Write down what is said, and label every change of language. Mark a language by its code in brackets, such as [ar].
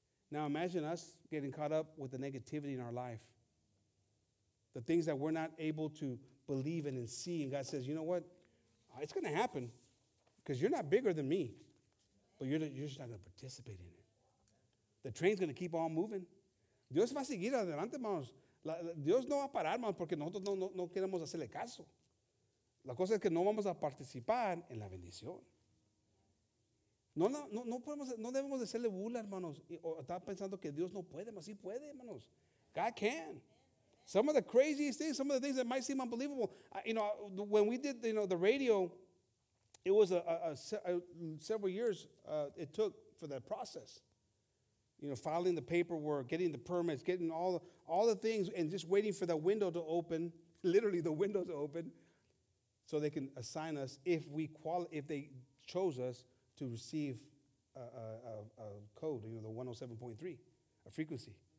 [en] Now imagine us getting caught up with the negativity in our life, the things that we're not able to believe in and see. And God says, you know what? It's going to happen because you're not bigger than me, but you're just not going to participate in it. The train's going to keep on moving. [es] Dios va a seguir adelante, hermanos. Dios no va a parar, hermanos, porque nosotros no queremos hacerle caso. La cosa es que no vamos a participar en la bendición. No debemos hacerle burla, hermanos. O estar pensando que Dios no puede, hermanos. Sí puede, hermanos. [en] God can. Some of the craziest things, some of the things that might seem unbelievable. When we did the radio, it was several years it took for that process. Filing the paperwork, getting the permits, getting all the things, and just waiting for the window to open, literally the window to open, so they can assign us if they chose us to receive a code, the 107.3, a frequency.